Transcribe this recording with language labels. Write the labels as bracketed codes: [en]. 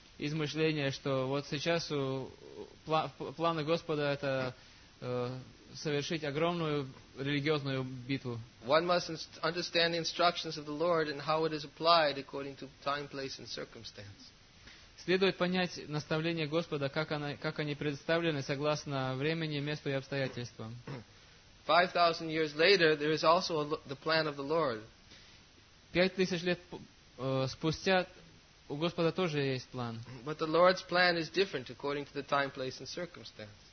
[ru] измышления, что вот сейчас планы Господа это совершить огромную религиозную битву. [en] One must understand the instructions of the Lord and how it is applied according to time, place and circumstance. [ru] Следует понять наставление Господа, как они представлены согласно времени, месту и обстоятельствам. [en] 5,000 years later, there is also the plan of the Lord. [ru] 5,000 лет спустя у Господа тоже есть план. [en] But the Lord's plan is different according to the time, place and circumstance.